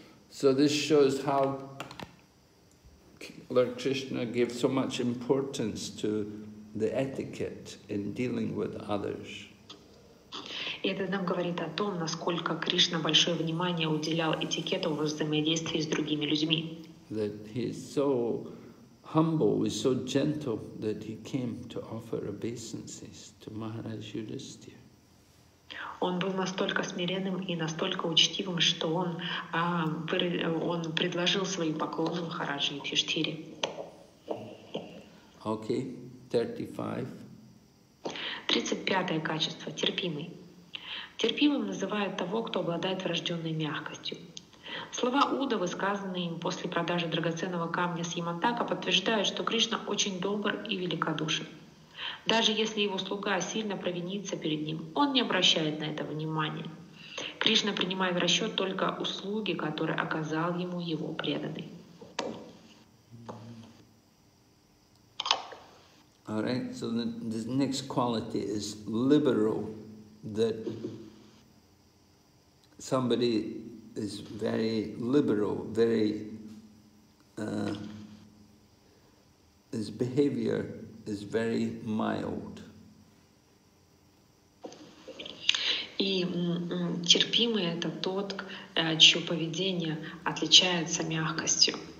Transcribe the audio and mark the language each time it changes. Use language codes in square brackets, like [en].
[en] So this shows how Lord Krishna gave so much importance to the etiquette in dealing with others. [ru] И это нам говорит о том, насколько Кришна большое внимание уделял этикету в взаимодействии с другими людьми. [en] That he is so humble, he is so gentle that he came to offer obeisances to Maharaj Yudhisthira. [ru] Он был настолько смиренным и настолько учтивым, что он предложил свои поклоны Махараджу Юдхиштхире. [en] Okay, 35. [ru] 35-е качество – терпимый. Терпимым называют того, кто обладает врожденной мягкостью. Слова Удавы, сказанные им после продажи драгоценного камня с Ямантака, подтверждают, что Кришна очень добр и великодушен. Даже если его слуга сильно провинится перед ним, он не обращает на это внимания. Кришна принимает в расчет только услуги, которые оказал ему его преданный. [en] All right, so the next quality is liberal, that somebody is very liberal, very, his behavior is very mild. [ru] И терпимый — это тот, чье поведение отличается мягкостью.